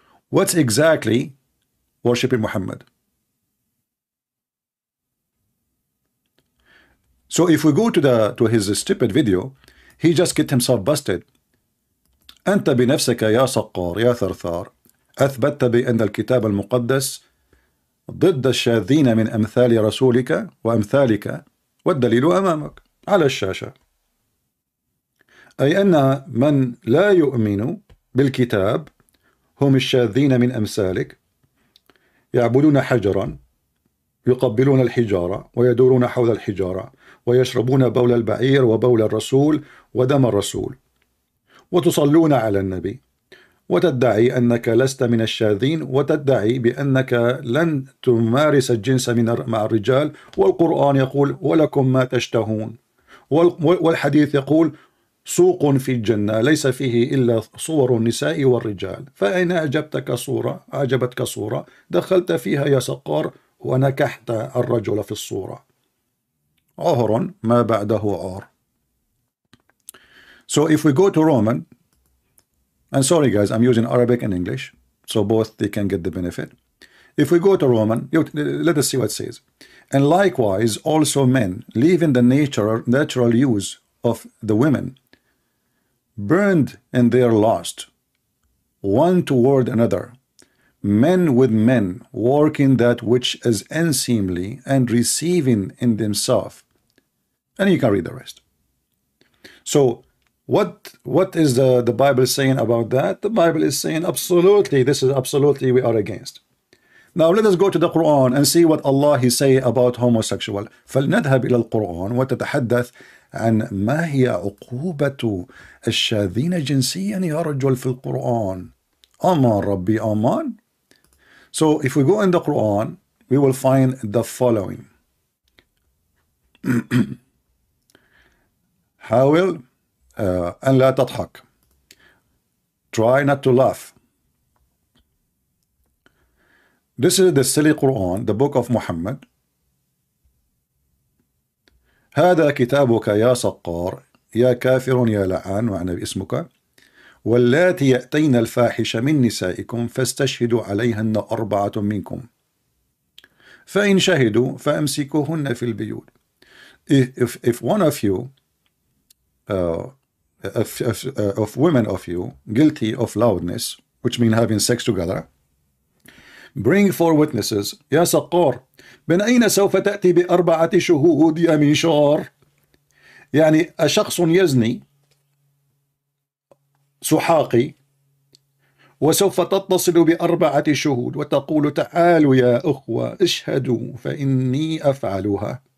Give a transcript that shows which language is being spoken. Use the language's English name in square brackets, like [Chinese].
[English] What's exactly worshiping Muhammad? So if we go to his stupid video, he just get himself busted. [Arabic] أنت بنفسك يا سقار يا ثرثار أثبتت بأن الكتاب المقدس ضد الشاذين من أمثال رسولك وأمثالك والدليل أمامك على الشاشة. أي أن من لا يؤمن بالكتاب هم الشاذين من أمثالك، يعبدون حجرا، يقبلون الحجارة ويدورون حول الحجارة ويشربون بول البعير وبول الرسول ودم الرسول، وتصلون على النبي وتدعي أنك لست من الشاذين وتدعي بأنك لن تمارس الجنس من مع الرجال، والقرآن يقول ولكم ما تشتهون، والحديث يقول سوق في الجنة ليس فيه إلا صور النساء والرجال، فإن أعجبتك صورة أعجبتك صورة دخلت فيها يا سقار ونكحت الرجل في الصورة. عهر ما بعده عار. [English] So if we go to Roman, and sorry guys, I'm using Arabic and English, so both they can get the benefit. If we go to Roman, let us see what it says. And likewise, also men, leaving the natural use of the women, burned in their lust, one toward another, men with men, working that which is unseemly and receiving in themselves. And you can read the rest. So what is the Bible saying about that? The Bible is saying absolutely, this is absolutely we are against. Now let us go to the Quran and see what Allah he say about homosexual. [Arabic] فلنذهب إلى القرآن وتتحدث عن ما هي عقوبة الشاذين جنسيا يا رجل في القرآن. أمان ربي أمان. [English] So if we go in the Quran, we will find the following. [Arabic] حاول أن لا تضحك. [English] Try not to laugh. This is the silly Quran, the book of Muhammad. [Arabic] هذا كتابك يا سقار يا كافر يا لعان وعن اسمك واللاتي يأتين الفاحش من نسائكم فاستشهدوا عليهن أربعة منكم فإن شهدوا فأمسكوهن في البيوت. [English] If one of you of women of you guilty of lewdness, which means having sex together, bring four witnesses. [Arabic] يا سقار من أين سوف تأتي بأربعة شهود يا منشار؟ يعني أشخص يزني سحاقي وسوف تتصل بأربعة شهود وتقول تعالوا يا أخوة اشهدوا فإني أفعلها.